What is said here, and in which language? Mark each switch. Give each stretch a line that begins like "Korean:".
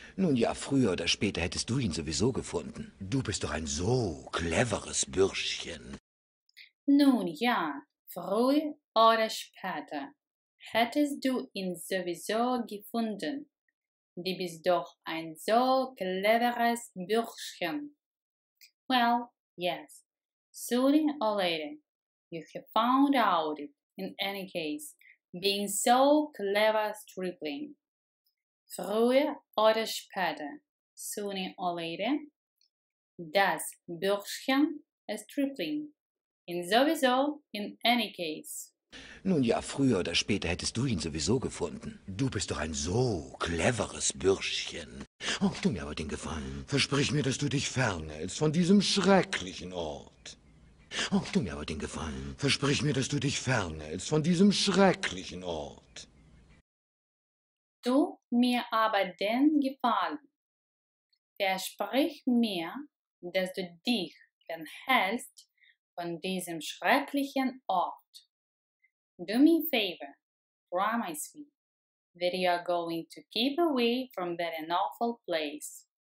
German: Nun ja, früher oder später hättest du ihn sowieso gefunden. Du bist doch ein so cleveres Bürschchen. Nun ja. Früher oder später hättest du ihn sowieso gefunden. Du bist doch ein so cleveres Bürschchen.
English: Well, yes, sooner or later, you have found out it. In any case, being so clever stripling.
German: Früher oder später,
English: sooner or later,
German: das Bürschchen stripling.
English: In sowieso, in any case.
German: Nun ja, früher oder später hättest du ihn sowieso gefunden. Du bist doch ein so cleveres Bürschchen. Oh, tu mir aber den Gefallen. Versprich mir, dass du dich fernhältst von diesem schrecklichen Ort. Oh, tu mir aber den Gefallen. Versprich mir, dass du dich fernhältst von diesem schrecklichen Ort. Tu mir aber den Gefallen. Versprich mir, dass du dich fernhältst von diesem schrecklichen Ort.
English: Do me a favor, promise me, that you are going to keep away from that an awful place.